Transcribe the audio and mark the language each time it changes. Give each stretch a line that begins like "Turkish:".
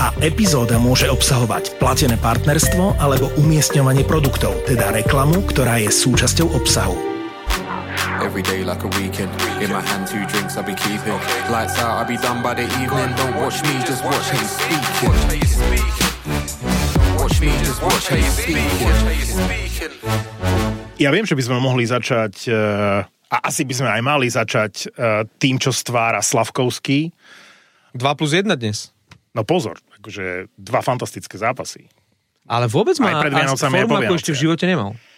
Slovak: A epizóda môže obsahovať platené partnerstvo alebo umiestňovanie produktov, teda reklamu, ktorá je súčasťou obsahu.
English: Every day like a weekend, in my hand two drinks I'll be keeping. Lights out, I'll be done by the evening. Don't watch me, just watch how you speak. Watch how you speak. Watch me, just watch how you speak. Watch how you speak.
Slovak: Ja viem, že by sme mohli začať, a asi by sme aj mali začať tým, čo stvára Slafkovský. 2+1 dnes. No pozor, akože dva fantastické zápasy. Ale vôbec má formu, ako ešte v živote nemal.